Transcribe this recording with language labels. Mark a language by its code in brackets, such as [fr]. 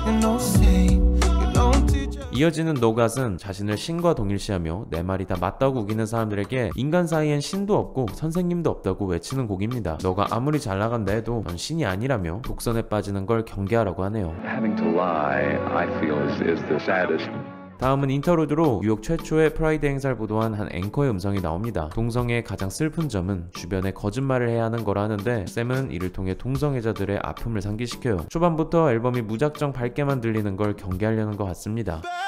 [en] You know God, you know leader, you know saint. [ko] 이어지는 No God은 자신을 신과 동일시하며 내 말이 다 맞다고 우기는 사람들에게 인간 사이엔 신도 없고 선생님도 없다고 외치는 곡입니다. 너가 아무리 잘 나간다 해도 넌 신이 아니라며 독선에 빠지는 걸 경계하라고 하네요. [en] Having to lie, I feel is the saddest. [ko] 다음은 인터로드로 뉴욕 최초의 프라이드 행사를 보도한 한 앵커의 음성이 나옵니다. 동성애의 가장 슬픈 점은 주변에 거짓말을 해야 하는 거라 하는데 샘은 이를 통해 동성애자들의 아픔을 상기시켜요. 초반부터 앨범이 무작정 밝게만 들리는 걸 경계하려는 것 같습니다.